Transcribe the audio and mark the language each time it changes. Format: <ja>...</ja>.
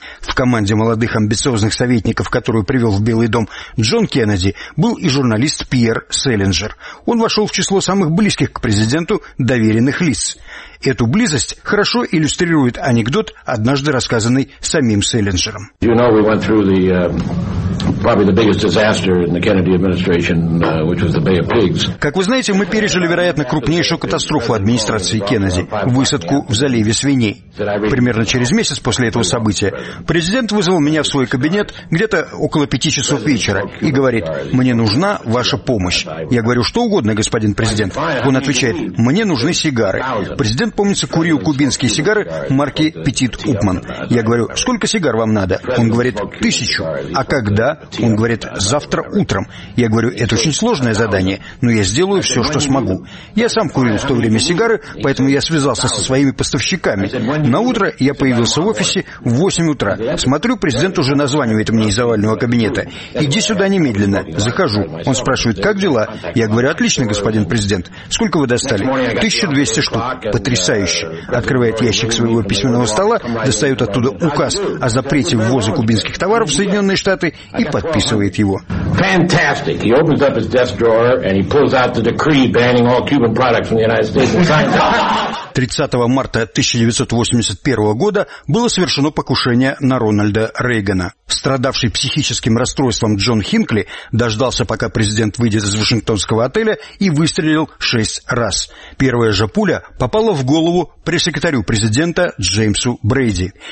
<ru>В команде молодых амбициозных советников, которую привел в Белый дом Джон Кеннеди, был и журналист Пьер Селлинджер. Он вошел в число самых близких к президенту доверенных лиц. Эту близость хорошо иллюстрирует анекдот, однажды рассказанный самим Селлинджером.</ru> <en>You know, we went through the, probably the biggest disaster in the Kennedy administration, which was the Bay of Pigs.</en> <ru>Как вы знаете, мы пережили, вероятно, крупнейшую катастрофу администрации Кеннеди – высадку в заливе свиней. Примерно через месяц после этого события президент вызвал меня в свой кабинет где-то около 5 часов вечера и говорит: «Мне нужна ваша помощь». Я говорю: «Что угодно, господин президент». Он отвечает: «Мне нужны сигары». Президент, помнится, курил кубинские сигары марки «Петит Упман». Я говорю: «Сколько сигар вам надо?» Он говорит: 1000. «А когда?» Он говорит: «Завтра утром». Я говорю: «Это очень сложное задание, но я сделаю все, что смогу». Я сам курил в то время сигары, поэтому я связался со своими поставщиками. На утро я появился в офисе в 8 утра. Смотрю, президент уже названивает мне из овального кабинета. «Иди сюда немедленно». Захожу. Он спрашивает: «Как дела?» Я говорю: «Отлично, господин президент. Сколько вы достали?» 1200 штук. Потрясающе. Открывает ящик своего письменного стола, достает оттуда указ о запрете ввоза кубинских товаров в Соединенные Штаты и подписывает его.</ru> <en>Fantastic. He opens up his desk drawer and he pulls out the decree banning all Cuban products from the United States and signs it.</en> <ru>30 марта 1981 года было совершено покушение на Рональда Рейгана. Страдавший психическим расстройством Джон Хинкли дождался, пока президент выйдет из Вашингтонского отеля, и выстрелил 6 раз. Первая же пуля попала в голову пресс-секретарю президента Джеймсу Брейди.</ru>